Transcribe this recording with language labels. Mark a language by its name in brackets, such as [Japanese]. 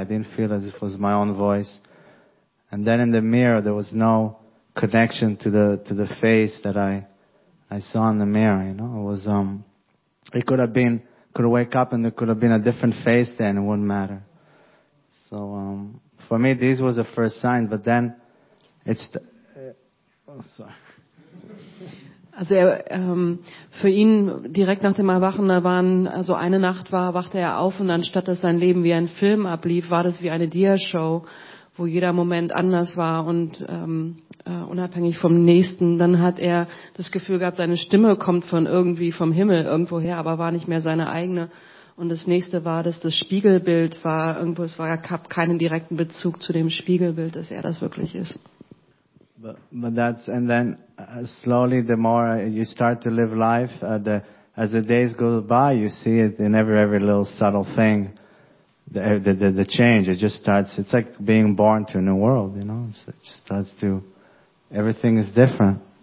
[English] I didn't feel as if it was my own voice. And then in the mirror, there was no connection to the face that I saw in the mirror. You know, it was it could have been. Could wake up and there could have been a different face then, it wouldn't matter. So for me, this was the first sign, but then it's... [German] Also für ihn, direkt nach dem Erwachen, eine Nacht wachte er auf, und anstatt dass sein Leben wie ein Film ablief, war das wie eine Diashow, wo jeder Moment anders war und unabhängig vom Nächsten. Dann hat er das Gefühl gehabt, seine Stimme kommt von irgendwie vom Himmel irgendwoher, aber war nicht mehr seine eigene. Und das Nächste war, dass das Spiegelbild war irgendwo, es war gab keinen direkten Bezug zu dem Spiegelbild, dass er das wirklich ist. [English] But that's, and then slowly the more you start to live life, as the days go by, you see it in every little subtle thing. The change, it just starts, it's like being born to a new world, you know, it just starts to, everything is different.